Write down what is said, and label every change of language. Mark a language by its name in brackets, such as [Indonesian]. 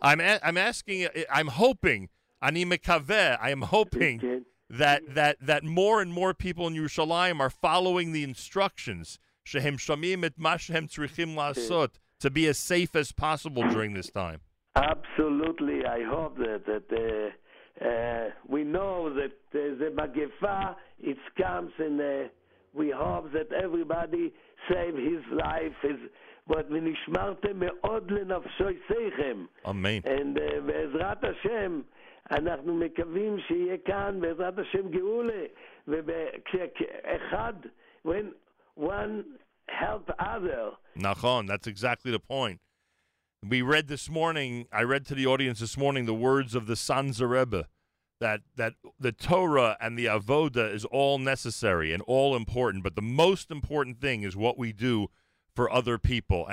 [English] I'm hoping that more and more people in Yerushalayim are following the instructions, [Hebrew] shehem shamim et ma shehem tzrichim lasot, [English] to be as safe as possible during this time. Absolutely, I hope that we know that the magefa it comes, and we hope that everybody save his life. [Hebrew] V'nishmartem me'od lenafshoy seichem. Amen. [English] And [Hebrew] v'ezrat Hashem, אנחנו מקווים שיהיה כאן בעזרת השם גאולה, וכשאחד, [English] when one help other. [Hebrew] נכון, [English] that's exactly the point. I read to the audience this morning the words of the Sanzer Rebbe, that the Torah and the Avoda is all necessary and all important, but the most important thing is what we do for other people.